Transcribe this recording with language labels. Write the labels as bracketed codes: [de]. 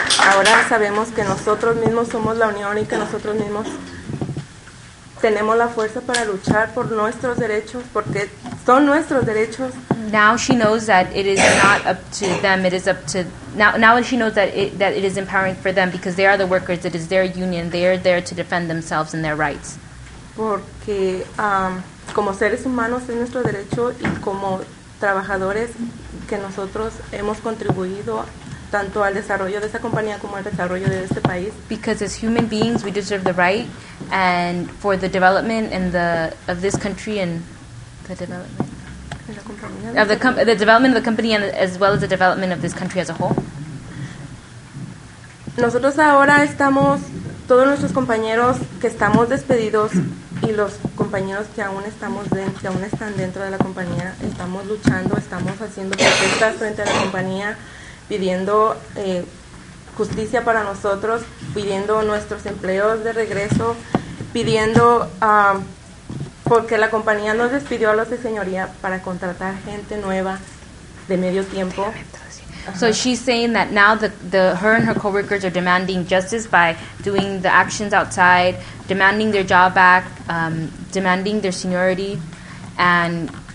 [es] Ahora sabemos que nosotros mismos somos la unión y que nosotros mismos tenemos la fuerza para luchar por nuestros derechos, porque son nuestros derechos. [en] Now she knows that it is not up to them, it is up to, now she knows that it is empowering for them because they are the workers, it is their union, they are there to defend themselves and their rights. [es] Porque como seres humanos es nuestro derecho y como trabajadores que nosotros hemos contribuido tanto al desarrollo de esa compañía como al desarrollo de este país. [en] Because as human beings, we deserve the right and for the development and the of this country and the development of the development of the company and as well as the development of this country as a whole. [es] Nosotros ahora estamos todos nuestros compañeros que estamos despedidos y los compañeros que aún estamos dentro, que aún están dentro de la compañía, estamos luchando, estamos haciendo protestas frente a la compañía, pidiendo justicia para nosotros, pidiendo nuestros empleos de regreso, pidiendo porque la compañía nos despidió a los de señoría para contratar gente nueva de medio tiempo. [en] So she's saying that now the her and her coworkers are demanding justice by doing the actions outside, demanding their job back, demanding their seniority, and